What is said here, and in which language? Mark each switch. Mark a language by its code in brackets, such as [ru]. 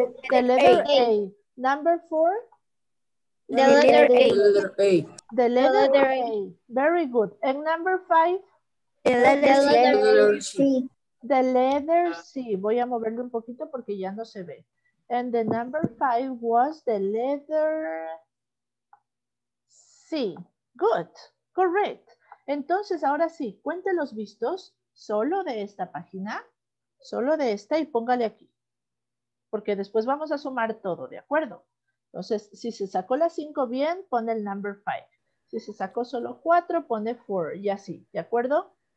[en] The letter A. Number four? The letter A. The letter A. The letter A. Very good. And number five? The letter C. The letter C. [es] Voy a moverlo un poquito porque ya no se ve. [en] And the number five was the letter C. Good. Correct. [es] Entonces, ahora sí, cuente los vistos solo de esta página, solo de esta y póngale aquí. Porque después vamos a sumar todo, ¿de acuerdo? Entonces, si se sacó la 5 bien, pone el number 5. Si se sacó solo 4, pone 4 y así, ¿de acuerdo?